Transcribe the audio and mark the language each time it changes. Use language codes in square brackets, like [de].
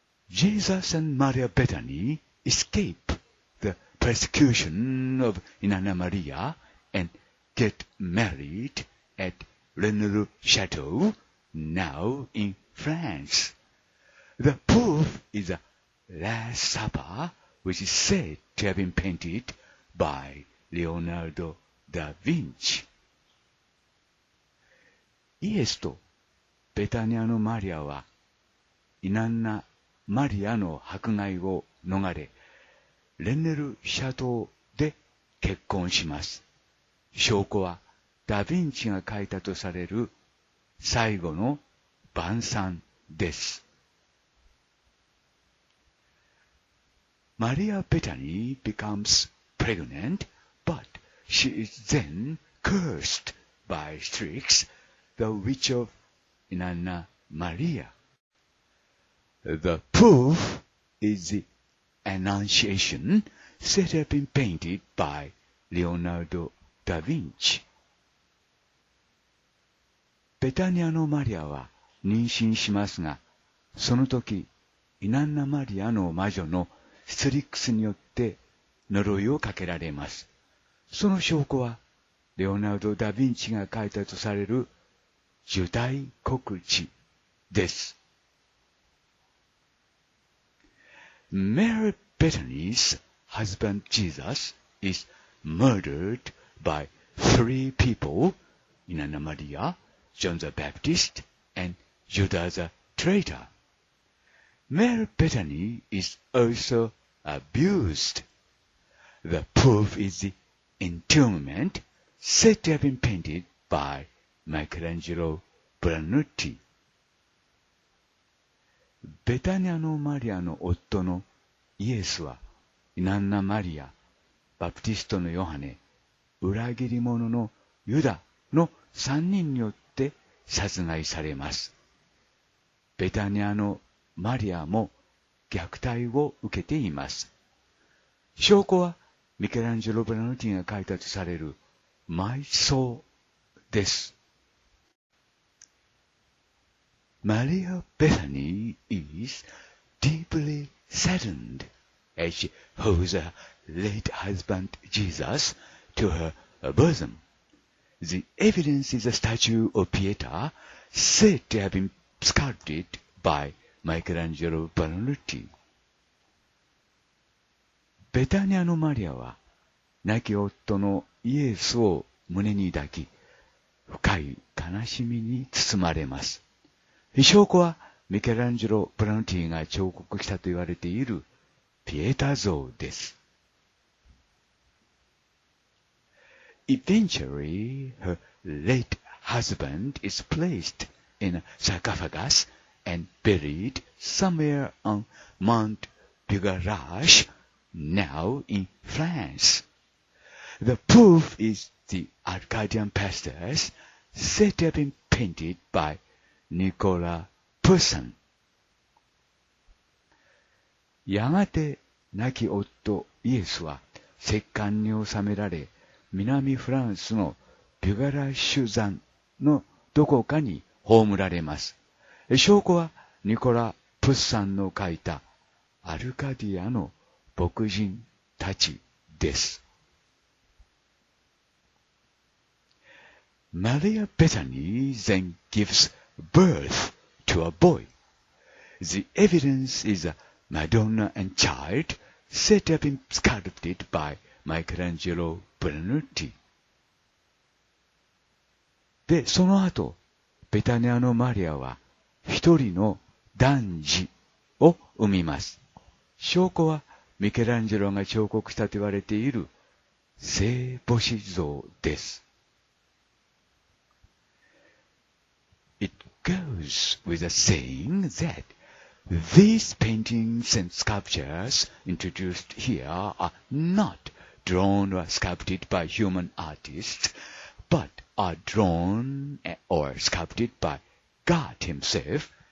[en] Jesus and Maria Bethany escape the persecution of Inanna Maria and get married at Renelu Chateau, now in France. The proof is the Last Supper, which is said to have been paintedby Leonardo da Vinci. [ja] イエスとベタニアのマリアはイナンナ・マリアの迫害を逃れ、レンネル・シャトーで結婚します。証拠はダ・ヴィンチが書いたとされる最後の晩餐です。 [en] マリア・ベタニー becomesPregnant, but she is then cursed by Strix, the witch of Inanna Maria. The proof is the Annunciation, said to have been painted by Leonardo da Vinci. [ja] ベタニアのマリアは妊娠しますが、その時、イナンナ・マリアの魔女のストリックスによって呪いをかけられます。その証拠はレオナルド・ダ・ヴィンチが書いたとされる受胎告知です。 [en] Mary Bethany's husband Jesus is murdered by three people, Inanna Maria, John the Baptist, and Judas the traitor. Mary Bethany is also abusedThe proof is the entombment said to have been painted by Michelangelo Brunetti. [ja] ベタニアのマリアの夫のイエスは、イナンナ・マリア、バプティストのヨハネ、裏切り者のユダの3人によって殺害されます。ベタニアのマリアも虐待を受けています。証拠はミケランジェロ・ブラノティが書いたとされる埋葬です。 [en] マリア・ベタニー is deeply saddened as she holds her late husband Jesus to her bosom. The evidence is a statue of Pietà said to have been sculpted by Michelangelo Brunetti. [ja] ベタニアのマリアは亡き夫のイエスを胸に抱き、深い悲しみに包まれます。証拠はミケランジェロ・ブラノティが彫刻したと言われているピエタ像です。 [en] Eventually, her late husband is placed in a sarcophagus and buried somewhere on Mount Bugarash now in France. The proof is the Arcadian pastures said to have been painted by Nicolas Poussin. [ja] やがて亡き夫イエスは石棺に収められ、南フランスのビュガラシュザンのどこかに葬られます。証拠はニコラ・プッサンの書いたアルカディアの牧人たちです。 [en] マリア・ベタニー then gives birth to a boy. The evidence is a Madonna and child said to have been sculpted by Michelangelo Brunetti. [ja] で、その後、ベタニアのマリアは一人の男児を産みます。証拠はミケランジェロが彫刻したと言われている聖母子像です。 [en] It goes with a saying that these paintings and sculptures introduced here are not drawn or sculpted by human artists, but are drawn or sculpted by God himself.